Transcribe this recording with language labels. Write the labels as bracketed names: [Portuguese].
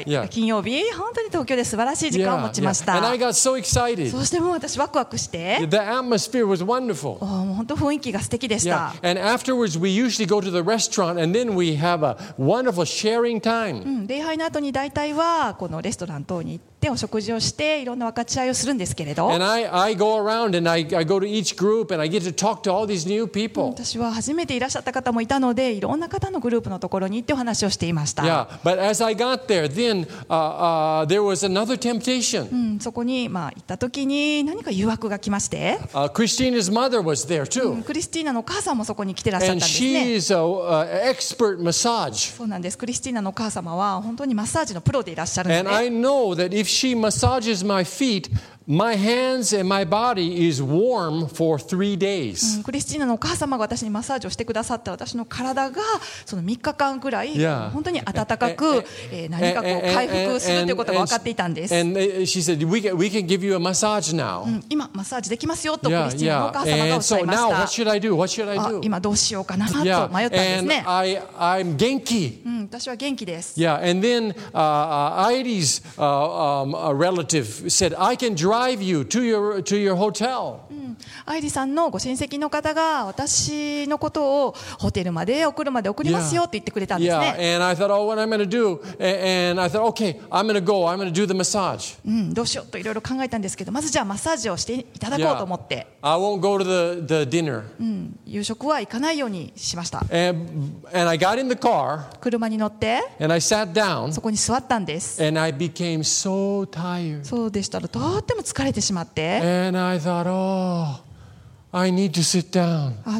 [Japanese] 金曜日、本当に東京で素晴らしい時間を持ちました。 [English] Yeah, yeah. And I got so excited. [Japanese] そしてもう私ワクワクして。 [English] Yeah, the atmosphere was wonderful. [Japanese] もう本当雰囲気が素敵でした。 [English] Yeah. And afterwards we usually go to the restaurant and then we have a wonderful sharing time. [Japanese] 礼拝の後に大体はこのレストラン等に行ってお食事をしていろんな分かち合いをするんですけれど。 [English] And I go around and I go to each group and I get to talk to all these new people. [Japanese] 私は初めていらっしゃった方もいたのでいろんな方のグループのところに行ってお話をしていました。 [English] Yeah. But as I got there, then there was another temptation. [Japanese] そこにまあ行った時に何か誘惑が来まして。 [English] Christina's mother was there too. [Japanese] クリスティーナのお母さんもそこに来てらっしゃったんですね。 [English] And she is an expert massage. [Japanese] そうなんです。クリスティーナのお母様は本当にマッサージのプロでいらっしゃるんで。 [English] And I know that if she massages my feet. My hands and my body is warm for three days. [Japanese] クリスティーナのお母様が私にマッサージをしてくださった私の体がその3日間くらい本当に温かく何かこう回復するということが分かっていたんです。 [English] And she said, we can give you a massage now. [Japanese] 今マッサージできますよとクリスティーナのお母様がおっしゃいました。 [English] So now what should I do? What should I do? [Japanese] 今どうしようかなと迷ったんですね。 [English] And I'm 元気。 [Japanese] 私は元気です。 [English] Yeah, and then Heidi's relative said, I can drive you to your hotel. [Japanese] アイリさんのご親戚の方が私のことをホテルまでお車で送りますよって言ってくれたんですね。 [English] Yeah, and I thought, oh, what I'm going to do? And I thought, okay, I'm going to go. I'm going to do the massage. [Japanese] どうしようといろいろ考えたんですけど、まずじゃあマッサージをしていただこうと思って。 [English] Yeah, I won't go to the dinner. [Japanese] 夕食は行かないようにしました。 [English] And I got in the car. [Japanese] 車に乗って。 [English] And I sat down. [Japanese] そこに座ったんです。 [English] And I became so tired. [Japanese] そうでしたらと。とても疲れてしまって。 [English] And I thought, oh, I need to sit down.